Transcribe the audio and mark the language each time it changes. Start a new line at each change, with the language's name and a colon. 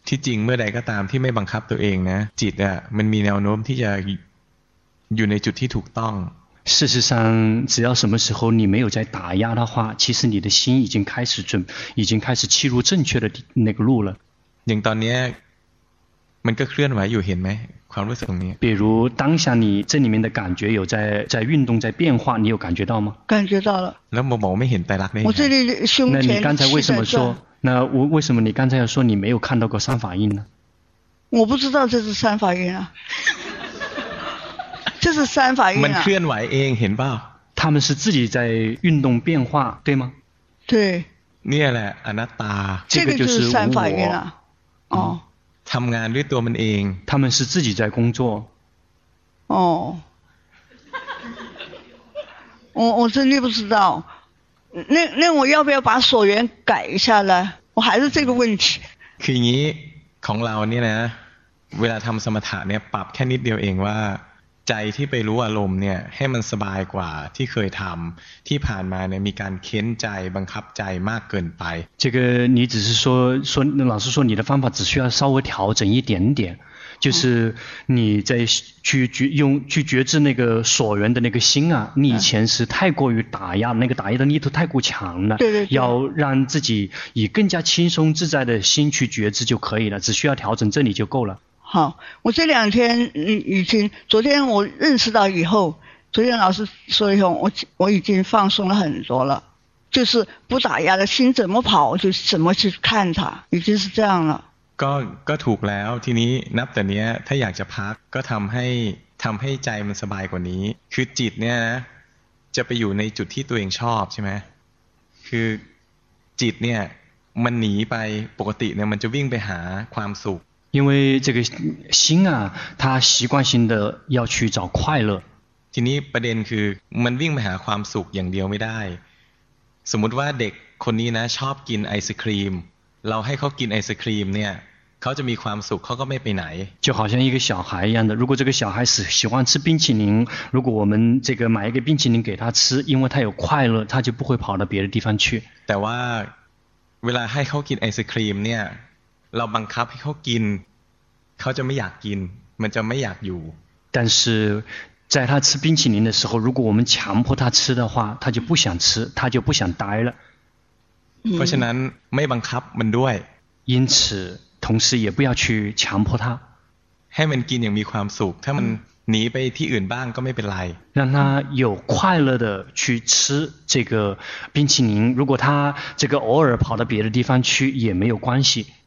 Thai: ที่จริงเมื่อใดก็ตามที่ไม่บังคับตัวเองนะจิตอ่ะมันมีแนวโน้มที่จะอยู่ในจุดที่ถูกต้อง
Chinese: 事实上只要什么时候你没有在打压的话其实你的心已经开始契入正确的那个路了
Thai: อย่างตอนนี้มันก็เคลื่อนไหวอยู่เห็นไหมความรู้สึกนี้
Chinese: 比如当下你这里面的感觉有在运动在变化你有感觉到吗感觉到了
Thai: แล้วมองไม่เห็นไตรลักษณ์ไ
Chinese: หม我这里胸前那你刚才为什么说那我为什么你刚才要说你没有看到过三法印呢我不知道这是三法印啊这是三法印啊
Thai: มันเคลื่อนไหวเองเห็นป่าว
Chinese: 他们是自己在运动变化对吗对
Thai: นี่แหละอนัตตา
Chinese: 这个就是三法印啊哦
Thai: ทำงานด้วยตัวมันเอง
Chinese: 他们是自己在工作哦我真的不知道。那我要不要把锁缘改一下呢？我还是这个问题。
Thai: คืออย่างนี้ของเราเนี่ยนะเวลาทำสมถะเนี่ยปรับแค่นิดเดียวเองว่าใจที่ไปรู้อารมณ์เนี่ยให้มันสบายกว่าที่เคยทำที่ผ่านมาเนี่ยมีการเค้นใจบังคับใจมากเกินไป
Chinese: 这个你只是说老师说你的方法只需要稍微调整一点点就是你在去觉知那个所缘的那个心啊，你以前是太过于打压，那个打压的力度太过强了。对， 对对。要让自己以更加轻松自在的心去觉知就可以了，只需要调整这里就够了。好，我这两天已经，昨天我认识到以后，昨天老师说以后，我已经放松了很多了，就是不打压的心怎么跑就怎么去看它，已经是这样了。
Thai: ก็ถูกแล้วทีนี้นับแต่เนี้ยถ้าอยากจะพักก็ทำให้ใจมันสบายกว่านี้คือจิตเนี้ยนะจะไปอยู่ในจุดที่ตัวเองชอบใช่ไหมคือจิตเนี้ยมันหนีไปปกติเนี้ยมันจะวิ่งไปหาความสุข
Chinese: 因为这个心啊它习惯性的要去找快乐
Thai: ทีนี้ประเด็นคือมันวิ่งไปหาความสุขอย่างเดียวไม่ได้สมมติว่าเด็กคนนี้นะชอบกินไอศกรีมเราให้เขากินไอศกรีมเนี่ยเขาจะมีความสุขเขาก็ไม่ไปไหน
Chinese: 就好像一个小孩一样的如果这个小孩是喜欢吃冰淇淋如果我们这个买一个冰淇淋给他吃因为他有快乐他就不会跑到别的地方去
Thai: แต่ว่าเวลาให้เขากินไอศกรีมเนี่ยเราบังคับให้เขากินเขาจะไม่อยากกินมันจะไม่อยากอยู่
Chinese: 但是在他吃冰淇淋的时候如果我们强迫他吃的话他就不想吃他就不想待了
Thai: เพราะฉะนั้นไม่บังคับมันด้วย
Chinese: 因此同时也不要去强迫他
Thai: ให้มันกินอย่างมีความสุขถ้ามันหนีไปที่อื่นบ้างก็ไม่เป็นไร
Chinese: 让他有快乐的去吃这个冰淇淋如果他这个偶尔跑到别的地方去也没有关系